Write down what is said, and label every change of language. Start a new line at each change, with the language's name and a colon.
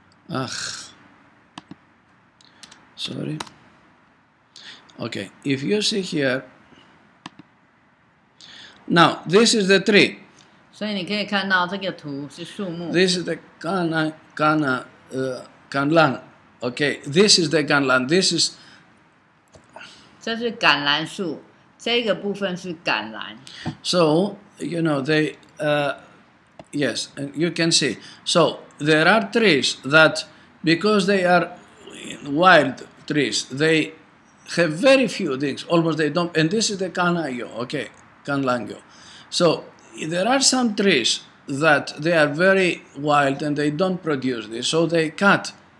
English: Ah. Sorry. Okay. If you see here, now this is the tree.
Chinese: 所以你可以看到这个图是树木.
English: This is the ganlan. Okay, this is the ganlan. This is.
Chinese: 这是橄榄树, 这个部分是橄榄.
English: So you know they, yes, and you can see. So there are trees that, because they are wild trees, they have very few things. Almost they don't. And this is the ganayo. Okay, ganlanyo. So there are some trees that they are very wild and they don't produce this, so they cut.